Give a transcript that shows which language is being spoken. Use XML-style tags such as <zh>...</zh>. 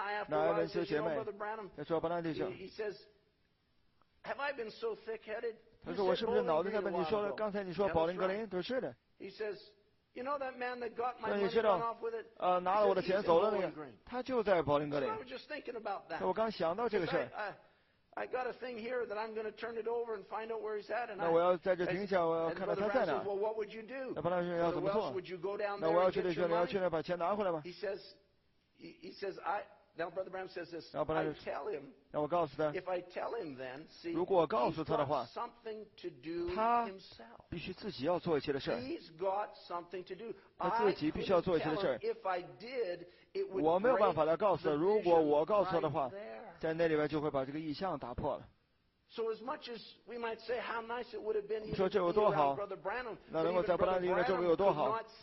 <zh>那艾文斯姐妹，他说本来就说。</zh> <en>Have I been so thick-headed?</en> <zh>他说我是不是脑子太笨？你说的刚才你说保林格林，他说是的。</zh> <en>He says, you know that man that got my money off with it?</en> <zh>拿了我的钱走了那个，他就在保林格林。</zh> <en>I was just thinking about that.</en> <zh>我刚想到这个事儿。</zh> <en>I got a thing here that I'm going to turn it over and find out where he's at.</en> <zh>那我要在这停下，我要看到他在哪。</zh> <en>And Brother Brown says, well, what would you do?</en> <zh>那要怎么做？</zh> <en>Would you go down there?</en> <zh>那我要去那边，你要去那把钱拿回来吗？</zh> <en>He says, I. Now Brother Brown says this. I tell him.</en> <zh>那我告诉他。</zh> <en>If I tell him, then see.</en> <zh>如果我告诉他的话，他必须自己要做一些的事儿。</zh> <en>He's got something to do.</en> <zh>他自己必须要做一些的事儿。</zh> <en>If I did, it would.</en> <zh>我没有办法来告诉他。如果我告诉他的话，在那里边就会把这个意象打破了。</zh> <en>So as much as we might say how nice it would have been to be around Brother Branham,</en> <zh>那能够在布兰迪的周围有多好？</zh>